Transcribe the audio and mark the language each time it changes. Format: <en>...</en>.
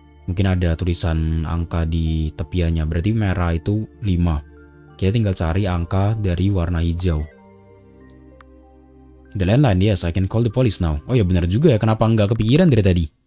<id>Mungkin ada tulisan angka di tepiannya. Berarti merah itu 5. Kita tinggal cari angka dari warna hijau.</id> <en>The landline, yes, I can call the police now.</en> <id>Oh ya, benar juga ya, kenapa nggak kepikiran dari tadi?</id>